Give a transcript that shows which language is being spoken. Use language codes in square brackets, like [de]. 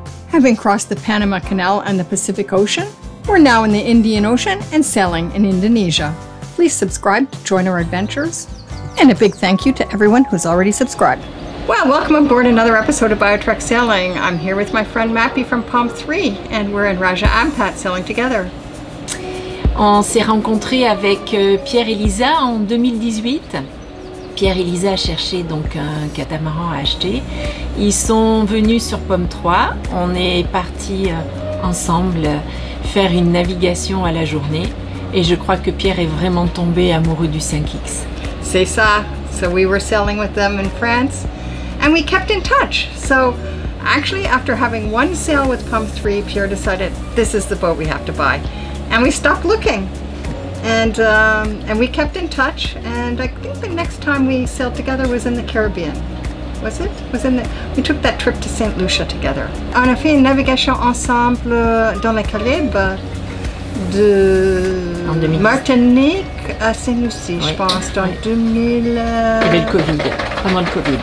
[en] Having crossed the Panama Canal and the Pacific Ocean, we're now in the Indian Ocean and sailing in Indonesia. Please subscribe to join our adventures. And a big thank you to everyone who's already subscribed. Well, welcome aboard another episode of BioTrek Sailing. I'm here with my friend Mappy from Palm 3, and we're in Raja Ampat sailing together. [fr] On s'est rencontrés avec Pierre et Lisa en 2018. Pierre et Lisa cherchaient donc un catamaran à acheter. Ils sont venus sur Pomme 3. On est partis ensemble faire une navigation à la journée. Et je crois que Pierre est vraiment tombé amoureux du 5X. C'est ça. [en] So we were sailing with them in France. And we kept in touch. So actually, after having one sail with Pomme 3, Pierre decided this is the boat we have to buy. And we stopped looking. And we kept in touch, and I think the next time we sailed together was in the Caribbean. Was it? We took that trip to Saint Lucia together. [fr] On a fait une navigation ensemble dans les Caraïbes de Martinique à Saint Lucie, oui. Je pense, dans oui. 2000. Il y avait le Covid, pendant le Covid.